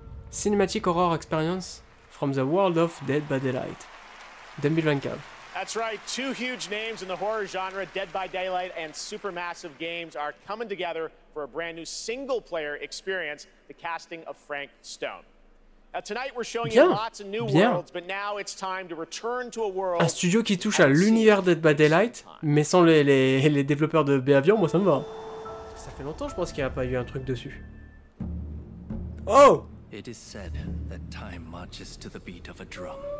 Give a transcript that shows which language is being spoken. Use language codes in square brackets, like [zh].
[en] Cinematic Horror Experience from the World of Dead by Daylight. 2024. That's right. Two huge names in the horror genre, Dead by Daylight and Supermassive Games, are coming together for a brand new single-player experience, the casting of Frank Stone. Now, tonight, we're showing [fr] bien, [en] you lots of new [fr] bien. [en] Worlds, but now it's time to return to a world... [fr] Un studio qui touche à l'univers Dead by Daylight, mais sans les développeurs de Behaviour, moi ça me va. Ça fait longtemps, je pense qu'il n'y a pas eu un truc dessus. Oh! [en] It is said that time marches to the beat of a drum.